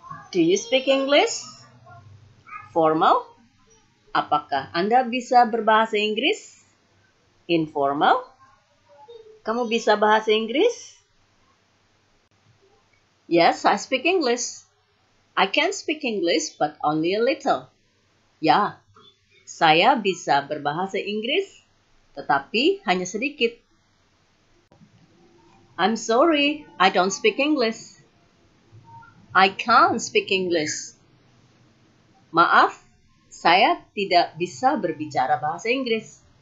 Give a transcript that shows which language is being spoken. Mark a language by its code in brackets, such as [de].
[en] Do you speak English? Formal? [id] Apakah Anda bisa berbahasa Inggris? Informal? Kamu bisa bahasa Inggris? [en] Yes, I speak English. I can speak English, but only a little. [id] Ya, saya bisa berbahasa Inggris, tetapi hanya sedikit. [en] I'm sorry, I don't speak English. I can't speak English. [id] Maaf, saya tidak bisa berbicara bahasa Inggris.